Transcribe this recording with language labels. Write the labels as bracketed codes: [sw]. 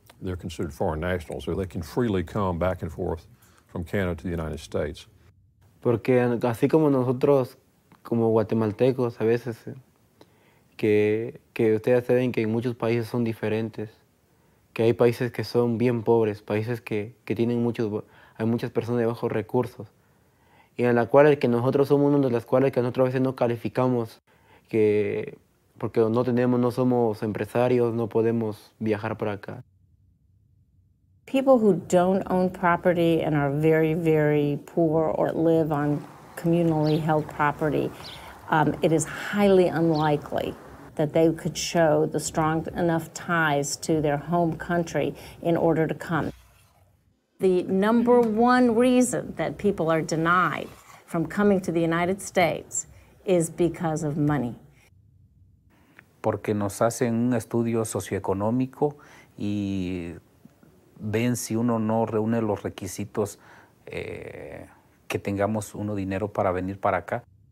[en] They're considered foreign nationals, so they can freely come back and forth from Canada to the United States. [es] Porque así como nosotros, como guatemaltecos, a veces que ustedes saben que en muchos países son diferentes, que hay países que son bien pobres, países que tienen muchos, hay muchas personas de bajos recursos, y en la cual es que nosotros somos uno de las cuales que nosotros a veces no calificamos, que porque no tenemos, no somos empresarios, no podemos viajar por acá. [en] People who don't own property and are very, very poor or live on communally held property, it is highly unlikely that they could show the strong enough ties to their home country in order to come. The number one reason that people are denied from coming to the United States is because of money. [es] Porque nos hacen un estudio socioeconómico y ven si uno no reúne los requisitos que tengamos uno dinero para venir para acá.